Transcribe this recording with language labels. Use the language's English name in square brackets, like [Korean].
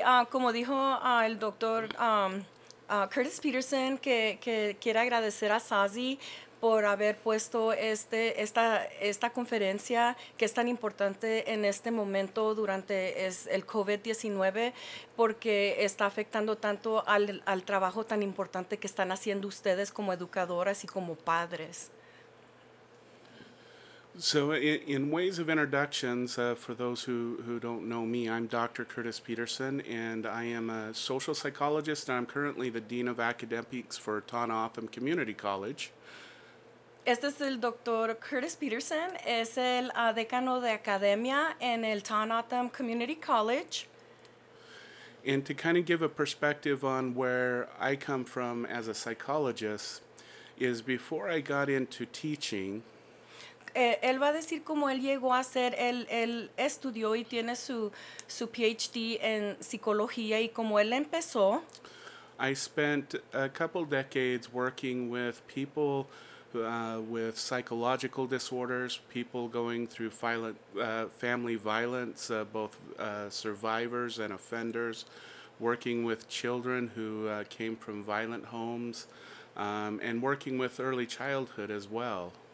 [Spanish] Como dijo el doctor Curtis Peterson, que quiere agradecer a SASE por haber puesto esta conferencia que es tan importante en este momento durante el COVID-19, porque está afectando tanto al trabajo tan importante que están haciendo ustedes como educadoras y como padres. [English] So in ways of introductions, for those who don't know me, I'm Dr. Curtis Peterson, and I am a social psychologist, and I'm currently the Dean of Academics for Tonopah Community College. [Spanish] Este es el Dr. Curtis Peterson, es el decano de academia en el Tonopah Community College. [English] And to kind of give a perspective on where I come from as a psychologist is before I got into teaching. [Spanish] Él va a decir cómo él llegó a ser, él estudió y tiene su PhD en psicología y cómo él empezó. [English] I spent a couple decades working with people with psychological disorders, people going through family violence, both survivors and offenders, working with children who came from violent homes, and working with early childhood as well.